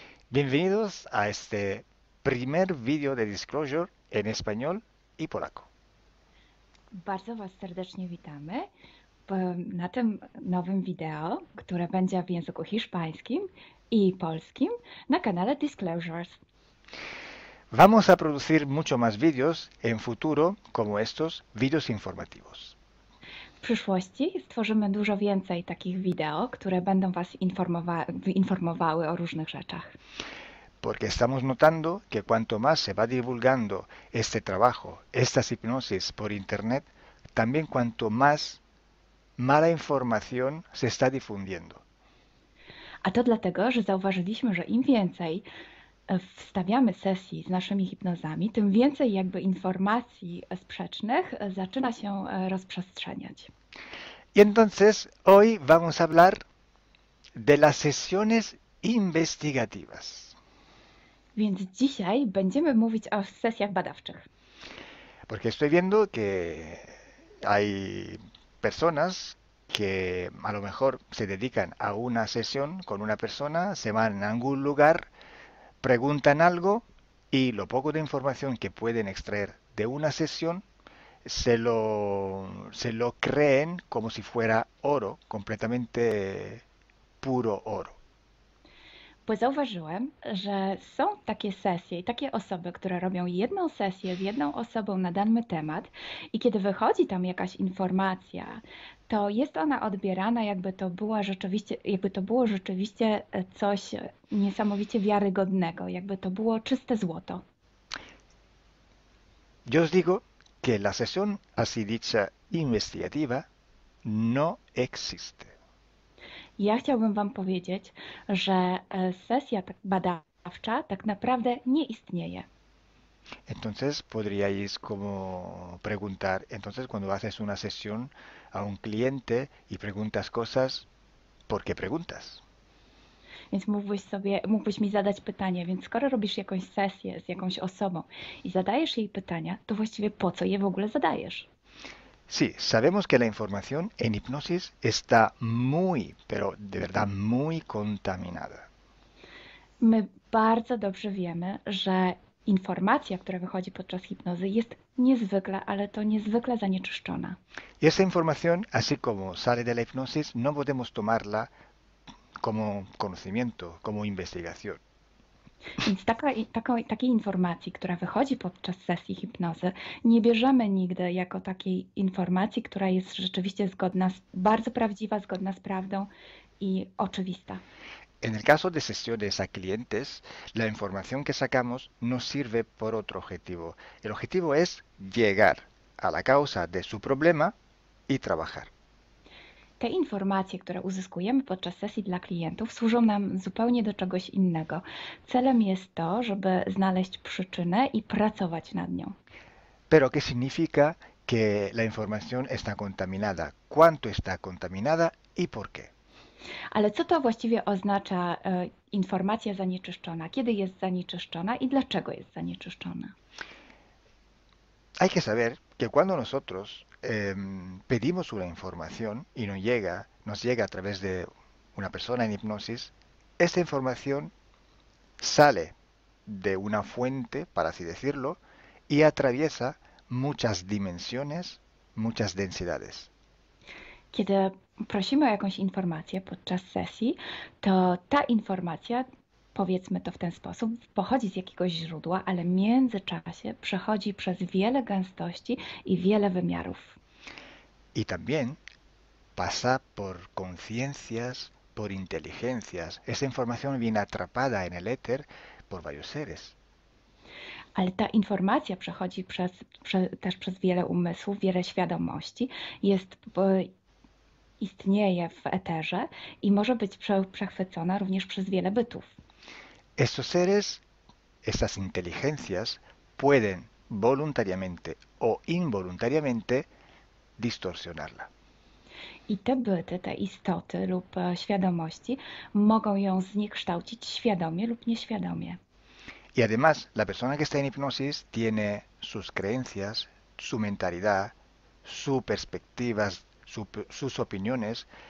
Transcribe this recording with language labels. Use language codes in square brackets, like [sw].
[es] Bienvenidos a este primer video de disclosure en español y polaco. [pl] Bardzo was serdecznie witamy na tym nowym wideo, które będzie w języku hiszpańskim i polskim na kanale Disclosures. [es] Vamos a producir mucho más videos en futuro como estos videos informativos. [pl] W przyszłości stworzymy dużo więcej takich wideo, które będą was informowały o różnych rzeczach. [es] Porque estamos notando que cuanto más se va divulgando este trabajo, estas hipnosis por internet, también cuanto más mala información se está difundiendo. [pl] A to dlatego, że zauważyliśmy, że im więcej wstawiamy sesji z naszymi hipnozami, tym więcej jakby informacji sprzecznych zaczyna się rozprzestrzeniać. [es] Y entonces hoy vamos a hablar de las sesiones investigativas. [pl] Więc dzisiaj będziemy mówić o sesjach badawczych. [es] Porque estoy viendo que hay personas que a lo mejor se dedican a una sesión con una persona, se van a algún lugar, preguntan algo y lo poco de información que pueden extraer de una sesión se lo creen como si fuera oro, completamente puro oro. [pl] Bo zauważyłem, że są takie sesje i takie osoby, które robią jedną sesję z jedną osobą na dany temat i kiedy wychodzi tam jakaś informacja, to jest ona odbierana, jakby to było rzeczywiście coś niesamowicie wiarygodnego, jakby to było czyste złoto. [es] Yo os digo que la sesión así dicha investigativa no existe. [pl] Ja chciałbym wam powiedzieć, że sesja badawcza tak naprawdę nie istnieje. [es] Entonces podríais como preguntar, entonces cuando haces una sesión a un cliente y preguntas cosas, ¿por qué preguntas? [pl] Więc mógłbyś mi zadać pytanie, więc skoro robisz jakąś sesję z jakąś osobą i zadajesz jej pytania, to właściwie po co je w ogóle zadajesz? [es] Sí, sabemos que la información en hipnosis está muy, pero de verdad muy contaminada. [pl] My bardzo dobrze wiemy, że informacja, która wychodzi podczas hipnozy, jest niezwykle, ale to niezwykle zanieczyszczona. [es] Y esa información, así como sale de la hipnosis, no podemos tomarla como conocimiento, como investigación. [pl] Więc takiej informacji, która wychodzi podczas sesji hipnozy, nie bierzemy nigdy jako takiej informacji, która jest rzeczywiście zgodna, bardzo prawdziwa, zgodna z prawdą i oczywista. [es] En el caso de sesiones a clientes, la información que sacamos no sirve por otro objetivo. El objetivo es llegar a la causa de su problema y trabajar. [pl] Te informacje, które uzyskujemy podczas sesji dla klientów, służą nam zupełnie do czegoś innego. Celem jest to, żeby znaleźć przyczynę i pracować nad nią. [es] Pero ¿qué significa que la información está contaminada? ¿Cuánto está contaminada y por qué? [pl] Ale co to właściwie oznacza informacja zanieczyszczona? Kiedy jest zanieczyszczona i dlaczego jest zanieczyszczona? [es] Hay que saber que cuando nosotros pedimos una información y nos llega a través de una persona en hipnosis. Esta información sale de una fuente, para así decirlo, y atraviesa muchas dimensiones, muchas densidades. [pl] Kiedy prosimy o jakąś informację podczas sesji, to ta informacja, powiedzmy to w ten sposób, pochodzi z jakiegoś źródła, ale w międzyczasie przechodzi przez wiele gęstości i wiele wymiarów. [es] Y también pasa por conciencias, por inteligencias. Esa información viene atrapada en el éter por varios seres. [pl] Ale ta informacja przechodzi też przez wiele umysłów, wiele świadomości, istnieje w eterze i może być przechwycona również przez wiele bytów. [es] Estos seres, estas inteligencias, pueden voluntariamente o involuntariamente distorsionarla. [pl] I te byty, te istoty lub świadomości mogą ją zniekształcić świadomie lub nieświadomie. [es] Y además, la persona que está en hipnosis tiene sus creencias, su mentalidad, sus perspectivas, sus opiniones.